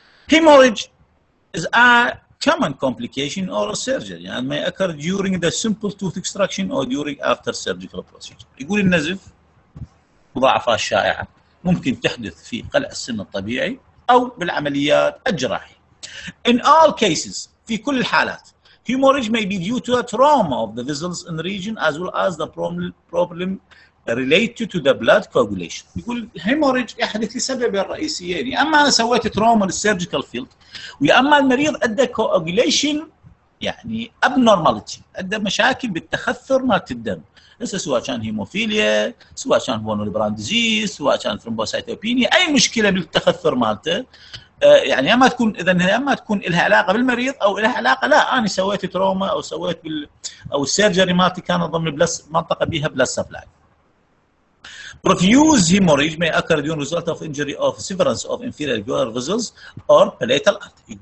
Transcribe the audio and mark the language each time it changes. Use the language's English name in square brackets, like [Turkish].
[English] Hemorrhage is a common complication or surgery and may occur during the simple tooth extraction or during after surgical procedure. [Arabic] يقول النزف مضاعفه شائعه ممكن تحدث في قلع السن الطبيعي او بالعمليات الجراحيه. [English] In all cases، [Arabic] في كل الحالات، [English] hemorrhage may be due to a trauma of the vessels in the region as well as the problem related to the blood coagulation. [Arabic] يقول hemorrhage يحدث لسببين رئيسيين، يا اما انا سويت تروما للسيرجيكال فيلد، ويا اما المريض عنده coagulation يعني abnormality، عنده مشاكل بالتخثر مالت الدم، هسه سواء كان هيموفيليا، سواء كان فونوليبران ديزيز، سواء كان ثرومبوسايتوبينيا، اي مشكله بالتخثر مالته. يعني اما تكون اذا هي اما تكون لها علاقه بالمريض او لها علاقه، لا انا سويت تروما او سويت او السيرجري مالتي كان ضمن بلس منطقه بيها بلس سبلاي. [English] Profuse hemorrhage may occur during result of injury of severance of inferior gular vessels or palatal artery.